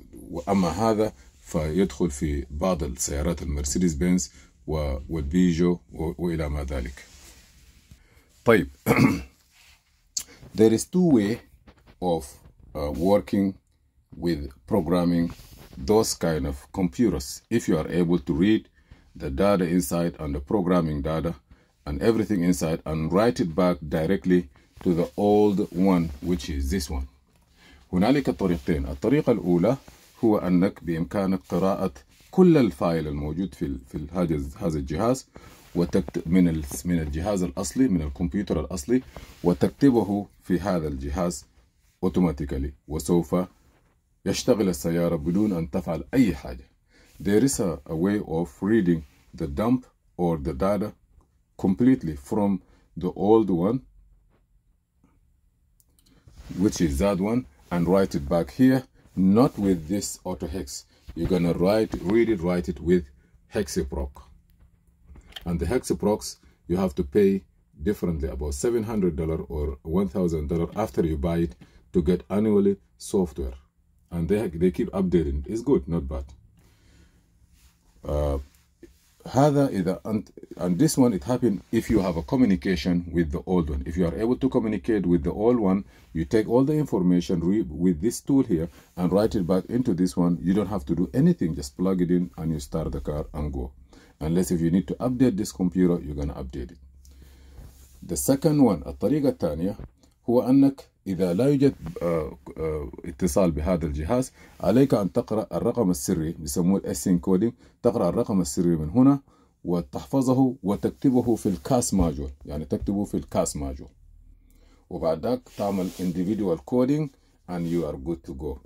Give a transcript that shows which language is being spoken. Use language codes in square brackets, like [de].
[ar] وأما هذا فيدخل في بعض السيارات المرسيدس بنز والبيجو وإلى ما ذلك. طيب, [en] there is two way of working with programming those kind of computers. If you are able to read the data inside and the programming data and everything inside and write it back directly to the old one, which is this one. [ar] هنالك طريقتين. الطريقة الأولى هو أنك بإمكانك قراءة كل الفايل الموجود في هذا الجهاز من الجهاز الأصلي, من الكمبيوتر الأصلي, وتكتبه في هذا الجهاز أوتوماتيكالي, وسوف يشتغل السيارة بدون أن تفعل أي حاجة. [en] There is a way of reading the dump or the data completely from the old one, which is that one, and write it back here, not with this AutoHex. You're gonna read it with Hexaproc. And the Hexaprocs, you have to pay differently, about $700 or $1,000 after you buy it, to get annually software. And they keep updating. It's good, not bad. And this one, it happened if you have a communication with the old one. If you are able to communicate with the old one, you take all the information with this tool here and write it back into this one. You don't have to do anything. Just plug it in and you start the car and go. Unless if you need to update this computer, you're going to update it. The second one, [ar] الطريقة الثانية, هو أنك إذا لا يوجد اتصال بهذا الجهاز, عليك أن تقرأ الرقم السري, يسموه الاس انكودينج. تقرأ الرقم السري من هنا وتحفظه وتكتبه في الكاس ماجول, يعني تكتبه في الكاس ماجول, وبعدك تعمل [en] individual coding and you are good to go.